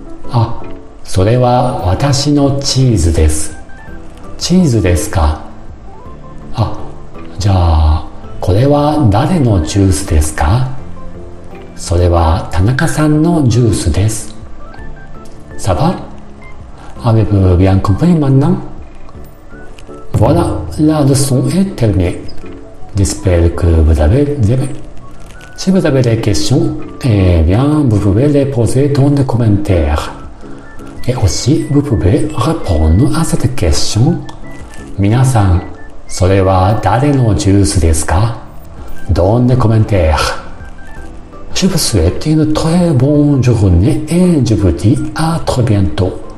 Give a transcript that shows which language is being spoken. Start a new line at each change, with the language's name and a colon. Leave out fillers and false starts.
Japanese: あ、それは私のチーズです。チーズですか？あ、じゃあ、これは誰のジュースですか？それは田中さんのジュースです。
French: ça va？ Avez-vous bien compris maintenant？ Voilà, la leçon est terminée. J'espère que vous avez aimé. Si vous avez des questions, eh bien, vous pouvez les poser dans les commentaires. Et aussi, vous pouvez répondre à cette question.
Japanese: 皆さん、それは誰のジュースですか？
French: Dans les commentaires. Je vous souhaite une très bonne journée et je vous dis à très bientôt.